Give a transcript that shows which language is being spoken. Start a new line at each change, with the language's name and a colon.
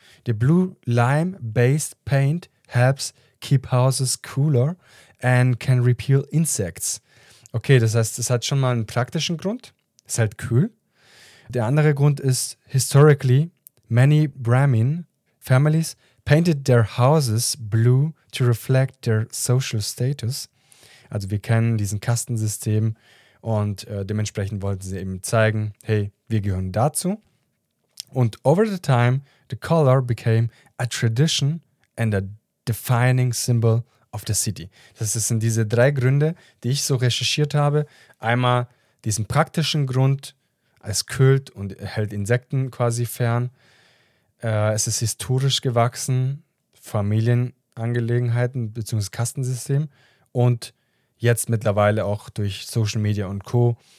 English: The blue lime-based paint helps keep houses cooler and can repel insects.
German: Okay, das heißt, es hat schon mal einen praktischen Grund. Es ist halt kühl. Der andere Grund ist,
English: historically, many Brahmin families painted their houses blue to reflect their social status.
German: Also wir kennen diesen Kastensystem und dementsprechend wollten sie eben zeigen, hey, wir gehören dazu.
English: Und over the time, the color became a tradition and a defining symbol of the city.
German: Das sind diese drei Gründe, die ich so recherchiert habe. Einmal diesen praktischen Grund, es kühlt und hält Insekten quasi fern. Es ist historisch gewachsen, Familienangelegenheiten bzw. Kastensystem und jetzt mittlerweile auch durch Social Media und Co.